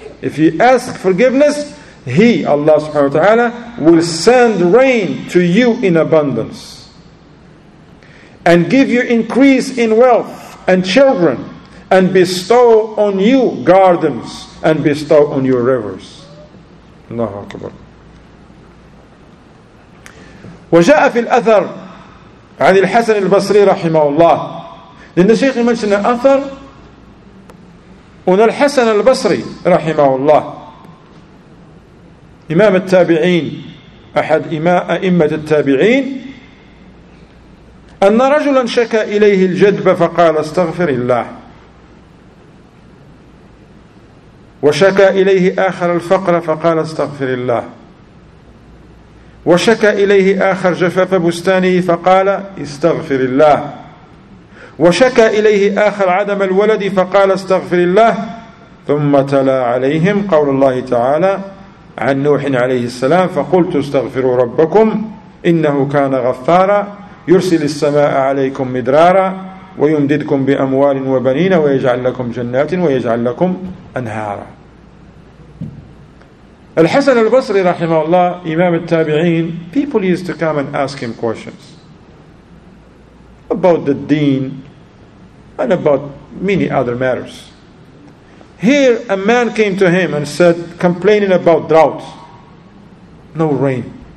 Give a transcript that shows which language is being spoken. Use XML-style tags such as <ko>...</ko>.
<en>If you ask forgiveness, He, Allah subhanahu wa ta'ala, will send rain to you in abundance. and give you increase in wealth and children, and bestow on you gardens, and bestow on you rivers. Allahu Akbar.</en> <ar>وجاء في الأثر عن الحسن البصري رحمه الله.</ar> <en>Then the Shaykh mentioned an Athar on al-Hasan al-Basri رحمه الله.</en> <ar>Imam al-Tabi'een, أحد أئمة التابعين. أن رجلا شكى إليه الجدب فقال استغفر الله. وشكى إليه آخر الفقر فقال استغفر الله. وشكى إليه آخر جفاف بستانه فقال استغفر الله. وشكى إليه آخر عدم الولد فقال استغفر الله. ثم تلا عليهم قول الله تعالى عن نوح عليه السلام فقلت استغفروا ربكم إنه كان غفارا يرسل السماء عليكم مدرارا ويمددكم بأموال وبنين ويجعل لكم جنات ويجعل لكم أنهارا. الحسن البصري رحمه الله إمام التابعين,</ar> <en>people used to come and ask him questions about the deen and about many other matters. Here a man came to him and said, complaining about drought, no rain.</en>